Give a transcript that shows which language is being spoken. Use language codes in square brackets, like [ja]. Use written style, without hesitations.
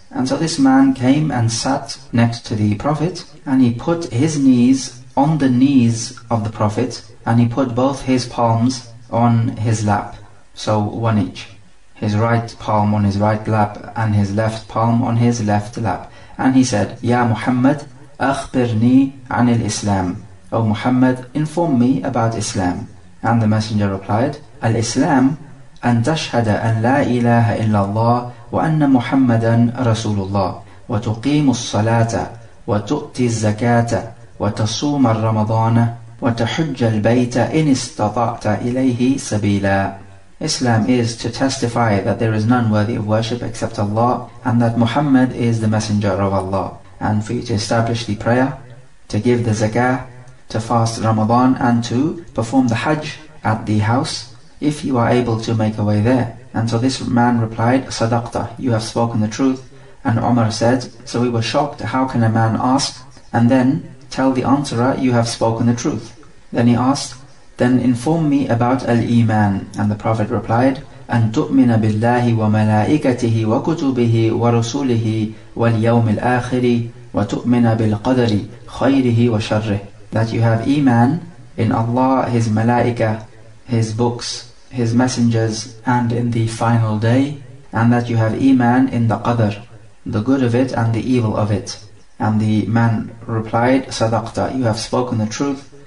[en] And so this man came and sat next to the Prophet, and he put his knees on the knees of the Prophet, and he put both his palms on his lap. So one each. His right palm on his right lap, and his left palm on his left lap. And he said, Ya Muhammad, [ar] أخبرني عن الإسلام. [en] O Muhammad, inform me about Islam. And the Messenger replied, [ar] Al-Islam, أن تشهد أن لا إله إلا الله وأن محمدا رسول الله وتقيم الصلاة وتؤتي الزكاة وتصوم رمضان وتحج البيت إن استطعت إليه سبيلا. [en] Islam is to testify that there is none worthy of worship except Allah, and that Muhammad is the Messenger of Allah, and for you to establish the prayer, to give the zakah, to fast Ramadan, and to perform the Hajj at the house, if you are able to make a way there. And so this man replied, Sadaqta, you have spoken the truth. And Umar said, so we were shocked, how can a man ask and then tell the answerer, you have spoken the truth? Then he asked, then inform me about Al-Iman. And the Prophet replied, [ar] أن تؤمن بالله وملائكته وكتبه ورسله واليوم الآخر وتؤمن بالقدر خيره وشره. [en] That you have Iman in Allah, His Malaika, His books, His messengers, and in the final day, and that you have Iman in the Qadr, the good of it and the evil of it. And the man replied, Sadaqta, you have spoken the truth.